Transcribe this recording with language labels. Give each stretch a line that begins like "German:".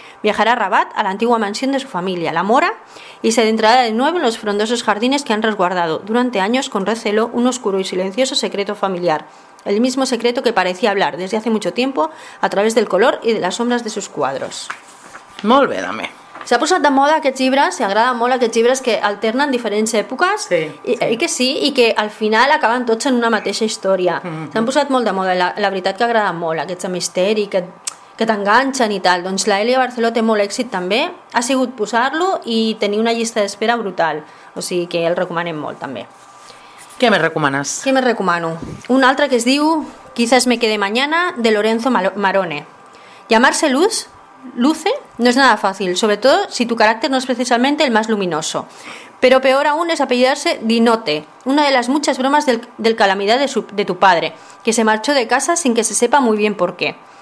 Spanish: Viajará a Rabat, a la antigua mansión de su familia, La Mora, y se adentrará de nuevo en los frondosos jardines que han resguardado durante años con recelo un oscuro y silencioso secreto familiar. El mismo secreto que parecía hablar desde hace mucho tiempo a través del color y de las sombras de sus cuadros.
Catalan: Molt bé, dame. S'ha posat de moda aquests llibres, i agrada molt aquests llibres que alternen diferents èpoques, sí. I que sí, i que al final acaben tots en una mateixa història. Mm-hmm. S'han posat molt de moda, la veritat que agrada molt aquests de misteri, que t'enganxen i tal. Doncs la Elia Barceló té molt èxit també, ha sigut posar-lo i tenir una llista d'espera brutal, o sigui que el recomanem molt també. Què més recomanes? Què més recomano? Un altre que es diu Quizás me quede mañana, de Lorenzo Marone.
Spanish: Llamarse Luz, Luce, no es nada fácil, sobre todo si tu carácter no es precisamente el más luminoso. Pero peor aún es apellidarse Dinote, una de las muchas bromas del calamidad de tu padre, que se marchó de casa sin que se sepa muy bien por qué.